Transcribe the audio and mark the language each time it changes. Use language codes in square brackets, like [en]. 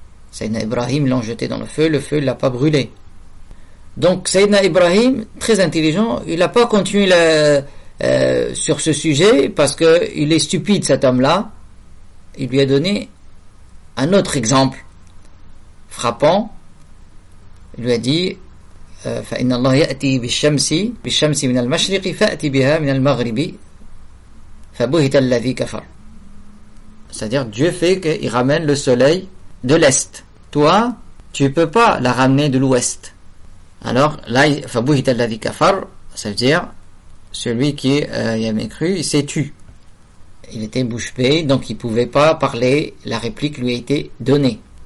[fr] Sayyidina Ibrahim l'a jeté dans le feu ne l'a pas brûlé. Donc Sayyidina Ibrahim, très intelligent, il n'a pas continué sur ce sujet, parce que il est stupide cet homme-là. Il lui a donné un autre exemple frappant. Il lui a dit: [ar] فإن الله يأتي بالشمس بالشمس من المشرق فأتي بها من المغرب فبهت الذي كفر. [fr] C'est-à-dire Dieu fait qu'il ramène le soleil de l'est. Toi, tu peux pas la ramener de l'ouest. Alors là, [ar] فبهت الذي كفر, [fr] ça veut dire celui qui y a mécru, il s'est tué. il était bouche bée, donc il pouvait pas parler, la réplique lui a été donnée.